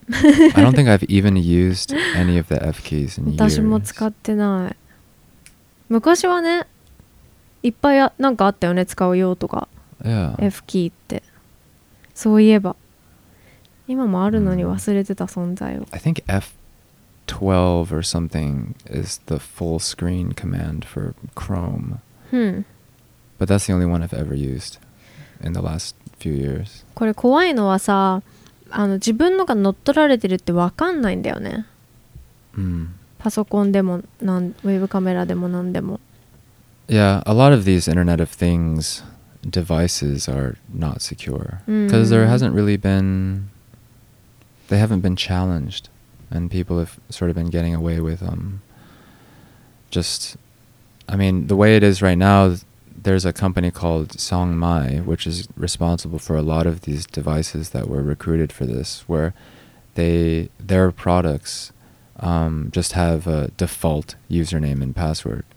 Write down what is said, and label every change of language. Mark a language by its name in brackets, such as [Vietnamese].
[English] I don't think I've even used any of the F keys in years. [Japanese] 私も使ってない。昔はね、いっぱいなんかあったよね、使うよとか。 [English] Yeah. [Japanese] F key って。そういえば。今もあるのに忘れてた存在を。 [English] I think F12 or something is the full screen command for Chrome. But that's the only one I've ever used. In the last few years. [Japanese] これ怖いのはさ、あの自分のが乗っ取られてるって分かんないんだよね。パソコンでもなん、ウェブカメラでもなんでも。 [English] Yeah, a lot of these Internet of Things devices are not secure. Because there hasn't really been, they haven't been challenged. And people have sort of been getting away with them. Just, I mean, the way it is right now,There's a company called Songmai, which is responsible for a lot of these devices that were recruited for this, where their products just have a default username and password.